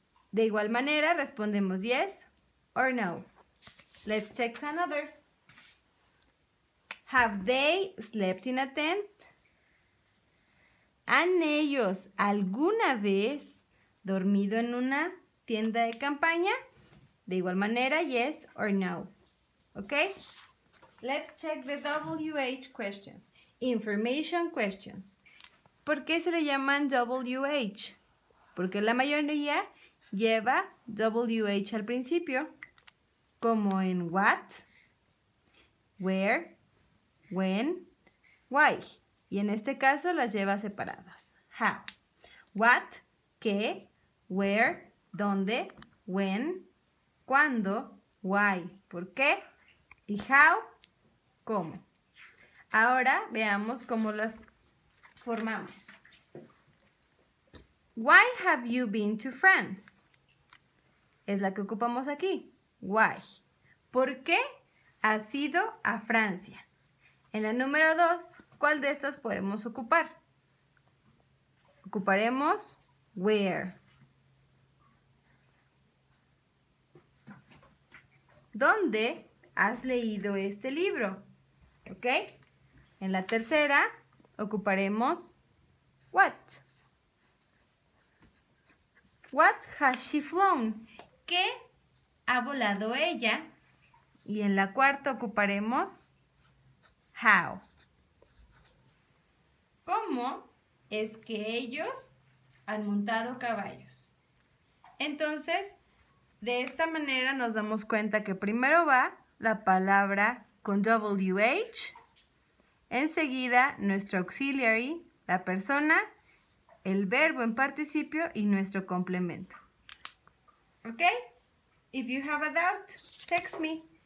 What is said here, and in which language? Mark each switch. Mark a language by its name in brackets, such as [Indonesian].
[Spanish] De igual manera, respondemos [English] yes or no. Let's check another. ¿Have they slept in a tent? [Spanish] ¿Han ellos alguna vez dormido en una tienda de campaña? De igual manera, [English] yes or no. [Spanish] Okay? [English] Let's check the WH questions. Information questions. [Spanish] ¿Por qué se le llaman WH? Porque la mayoría lleva WH al principio, como en what, where, when, why. Y en este caso las lleva separadas. How. What, qué, where, dónde, when, ¿cuándo? ¿Why? ¿Por qué? ¿Y how? ¿Cómo? Ahora veamos cómo las formamos. [English] ¿Why have you been to France? [Spanish] Es la que ocupamos aquí. ¿Why? ¿Por qué has ido a Francia? En la número 2, ¿cuál de estas podemos ocupar? Ocuparemos where. ¿Dónde has leído este libro? ¿Ok? En la tercera ocuparemos what. [English] What has she flown? [Spanish] ¿Qué ha volado ella? Y en la cuarta ocuparemos how. ¿Cómo es que ellos han montado caballos? Entonces, de esta manera nos damos cuenta que primero va la palabra con WH, enseguida nuestro auxiliary, la persona, el verbo en participio y nuestro complemento. ¿Ok? [English] If you have a doubt, text me.